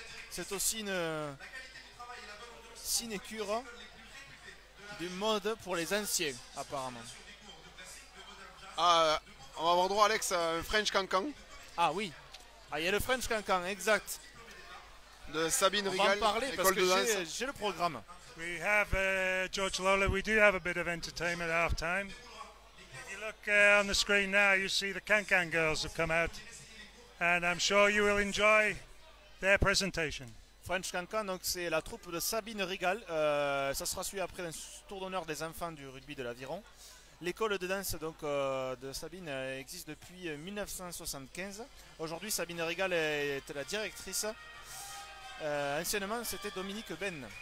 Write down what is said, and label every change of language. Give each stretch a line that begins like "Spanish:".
French: C'est aussi une sinécure du mode pour les anciens, apparemment. On va avoir droit, Alex, à un French Cancan. Ah oui, il y a le French Cancan, exact. De Sabine on Rigal. On va en parler parce que j'ai le programme.
English: We have George Lawler. We do have a bit of entertainment half time. If you look on the screen now, you see the Cancan girls have come out, and I'm sure you will enjoy. Their presentation.
French: French Cancan, donc c'est la troupe de Sabine Rigal. Ça sera suivi après un tour d'honneur des enfants du rugby de l'Aviron. L'école de danse donc, de Sabine existe depuis 1975. Aujourd'hui, Sabine Rigal est la directrice. Anciennement, c'était Dominique Ben.